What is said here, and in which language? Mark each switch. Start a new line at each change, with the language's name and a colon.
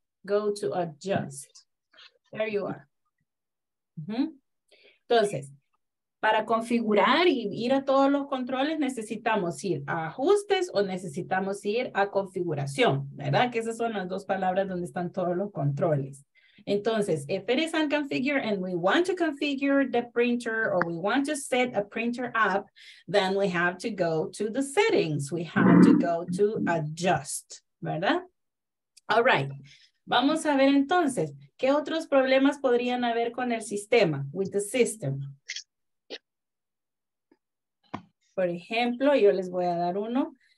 English: Go to adjust. There you are.
Spanish: Entonces, para configurar y ir a todos los controles necesitamos ir a ajustes o necesitamos ir a configuración, ¿verdad? Que esas son las dos palabras donde están todos los controles. Entonces,
English: if it is unconfigured and we want to configure the printer or we want to set a printer up, then we have to go to the settings. We have to go to adjust,
Spanish: ¿verdad?
English: All right.
Spanish: Vamos a ver entonces, ¿qué otros problemas podrían haber con el sistema?
English: With the system.
Spanish: Por ejemplo, yo les voy a dar uno.